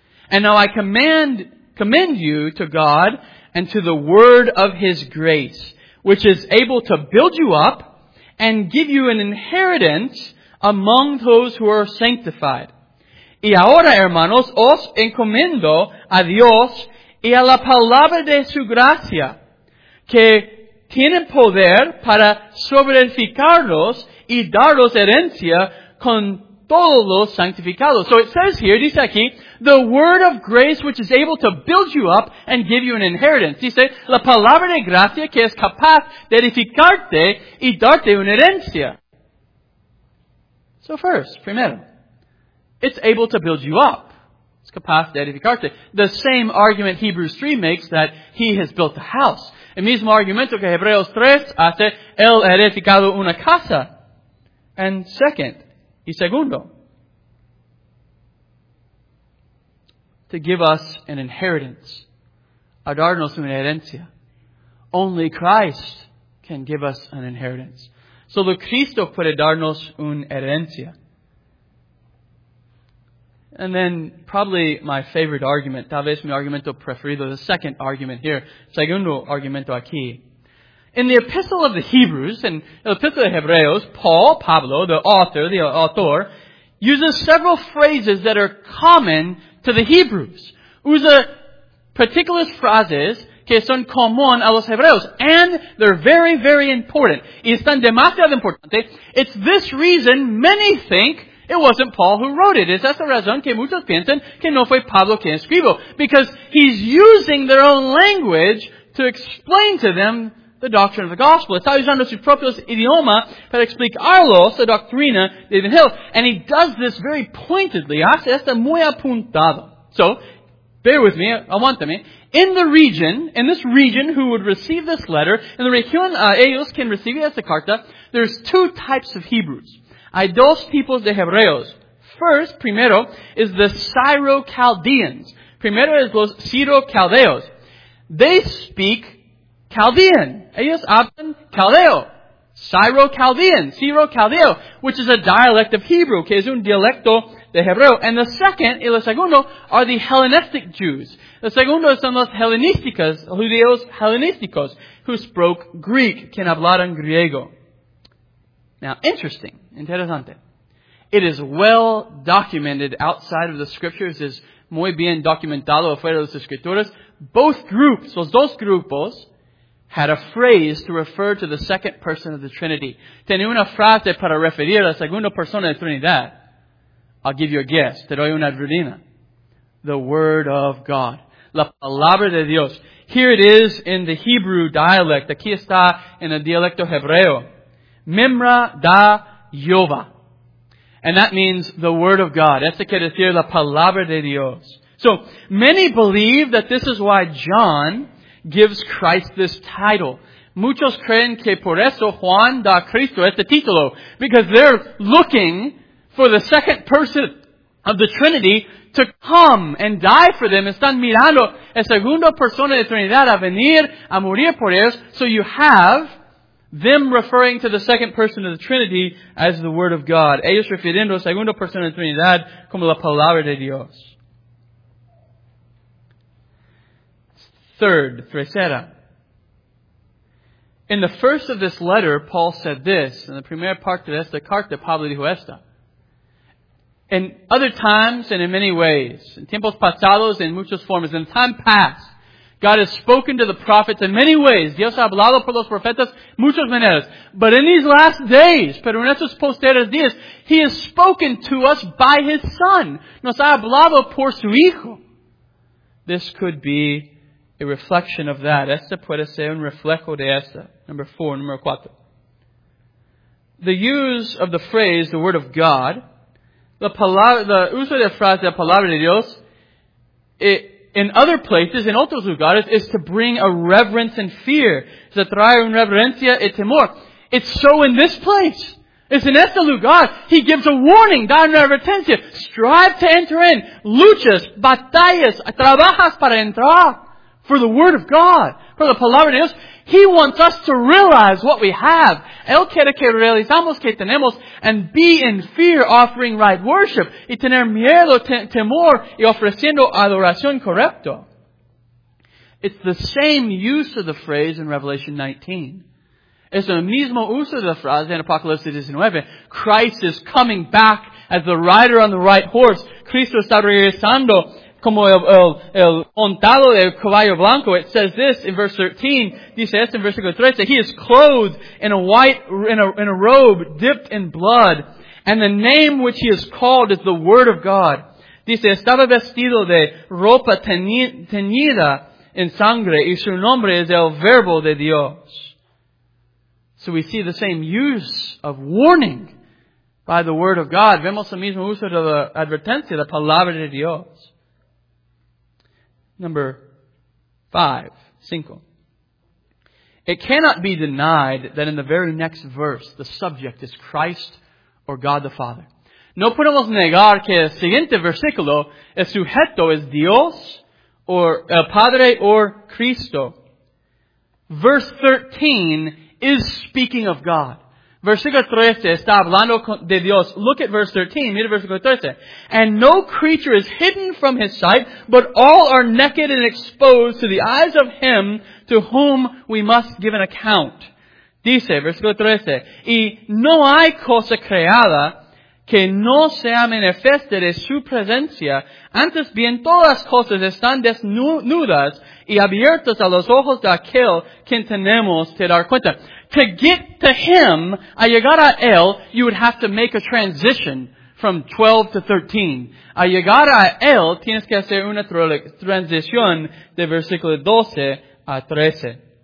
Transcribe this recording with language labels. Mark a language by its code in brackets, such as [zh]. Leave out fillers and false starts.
[en] And now I commend you to God and to the word of his grace, which is able to build you up and give you an inheritance among those who are sanctified. [es] Y ahora, hermanos, os encomiendo a Dios y a la palabra de su gracia, que tienen poder para sobreedificaros y daros herencia con todos los santificados. [en] So it says here, [es] dice aquí, [en] the word of grace which is able to build you up and give you an inheritance. [es] Dice, la palabra de gracia que es capaz de edificarte y darte una herencia. [en] So first, [es] primero, [en] it's able to build you up. It's [es] capaz de edificarte. [en] The same argument Hebrews 3 makes that he has built a house. [es] El mismo argumento que Hebreos 3 hace, él ha edificado una casa. [en] And second, [es] y segundo, [en] to give us an inheritance, [es] a darnos una herencia. [en] Only Christ can give us an inheritance. [es] Solo Cristo puede darnos una herencia. [en] And then, probably my favorite argument, [es] tal vez mi argumento preferido, [en] the second argument here, [es] segundo argumento aquí. [en] In the Epistle of the Hebrews, in the Epistle of Hebreos, Paul, Pablo, the author, uses several phrases that are common to the Hebrews. [es] Usa particular frases que son comunes a los Hebreos. [en] And they're very, very important. [es] Y están demasiado importantes. [en] It's this reason many think it wasn't Paul who wrote it. [es] Es esa razón que muchos piensan que no fue Pablo quien escribió. [en] Because he's using their own language to explain to them the doctrine of the gospel. [es] Está usando su propio idioma para explicarlos la doctrina de David Hill. [en] And he does this very pointedly. [es] Hace esto muy apuntado. [en] So, bear with me. [es] Aguántame. [en] In the region, in this region who would receive this letter, in the región [es] ellos quien recibe esta carta, [en] there's two types of Hebrews. [es] Hay dos tipos de Hebreos. [en] First, [es] primero, [en] is the Syro-Chaldeans. [es] Primero es los Syro-Chaldeos. [en] They speak Chaldean. [es] Ellos hablan Chaldeo. [en] Syro-Chaldean. Syro-Chaldeo. Which is a dialect of Hebrew. [es] Que es un dialecto de Hebreo. [en] And the second, [es] y la segundo, [en] are the Hellenistic Jews. [es] The segundo son los Hellenísticos, judíos Hellenísticos, [en] who spoke Greek. [es] Quien hablaron griego. [en] Now, interesting. [es] Interesante. [en] It is well documented outside of the scriptures. [es] Es muy bien documentado afuera de las escrituras. [en] Both groups, [es] los dos grupos, [en] had a phrase to refer to the second person of the Trinity. [es] Tenía una frase para referir a la segunda persona de la Trinidad. [en] I'll give you a guess. [es] Te doy una advertina. [en] The Word of God. [es] La Palabra de Dios. [en] Here it is in the Hebrew dialect. [es] Aquí está en el dialecto hebreo. [arc] Mimra da Yova. [en] And that means the Word of God. [es] Esto quiere decir la Palabra de Dios. [en] So, many believe that this is why John gives Christ this title. [es] Muchos creen que por eso Juan da Cristo este título. [en] Because they're looking for the second person of the Trinity to come and die for them. [es] Están mirando a segunda persona de la Trinidad a venir a morir por ellos. [en] So you have Them referring to the second person of the Trinity as the Word of God. [es] Ellos refiriendo a la segunda persona de la Trinidad como la Palabra de Dios. [en] Third, [es] tercera. [en] In the first of this letter, Paul said this, in the [es] primera parte de esta carta, Pablo dijo esta. [en] In other times and in many ways, in [es] tiempos pasados en muchas formas, [en] in time past, God has spoken to the prophets in many ways. [es] Dios ha hablado por los profetas muchas maneras. But in these last days, pero en estos posteriores días, [en] He has spoken to us by His Son. [es] Nos ha hablado por su Hijo. [en] This could be a reflection of that. [es] Esta puede ser un reflejo de esta. [en] Number four, number [es] cuatro. [en] The use of the phrase, the Word of God, the [es] uso de frase de palabra de Dios, [en] in other places, in [es] otros lugares, [en] is to bring a reverence and fear. [es] Se trae una reverencia y temor. [en] It's so in this place. It's in [es] este lugar. [en] He gives a warning, [es] da una advertencia. [en] Strive to enter in. [es] Luchas, batallas, trabajas para entrar. [en] For the Word of God. For the [es] Palabra de Dios. [en] He wants us to realize what we have. [es] Él quiere que realizamos que tenemos [en] and be in fear offering right worship. [es] Y tener miedo, temor y ofreciendo adoración correcto. [en] It's the same use of the phrase in Revelation 19. [es] Es el mismo uso de la frase en Apocalipsis 19. [en] Christ is coming back as the rider on the right horse. [es] Cristo está regresando. Como el montado del caballo blanco, [en] it says this in verse 13. [es] Dice esto en versículo 13. [en] He is clothed in a robe dipped in blood, and the name which he is called is the Word of God. [es] Dice estaba vestido de ropa teñida en sangre, y su nombre es el Verbo de Dios. [en] So we see the same use of warning by the Word of God. [es] Vemos el mismo uso de la advertencia, la palabra de Dios. [en] Number five, [es] cinco. [en] It cannot be denied that in the very next verse, the subject is Christ or God the Father. [es] No podemos negar que el siguiente versículo, el sujeto es Dios or el Padre or Cristo. [en] Verse 13 is speaking of God. [es] Versículo 13 está hablando de Dios. [en] Look at verse 13. [es] Mira versículo 13. [en] And no creature is hidden from his sight, but all are naked and exposed to the eyes of him to whom we must give an account. [es] Dice, versículo 13. Y no hay cosa creada que no sea manifiesta de su presencia. Antes bien, todas las cosas están desnudas y abiertas a los ojos de aquel quien tenemos que dar cuenta. [en] To get to him, [es] a llegar a él, [en] you would have to make a transition from 12 to 13. [es] A llegar a él, tienes que hacer una transición de versículo 12 a 13.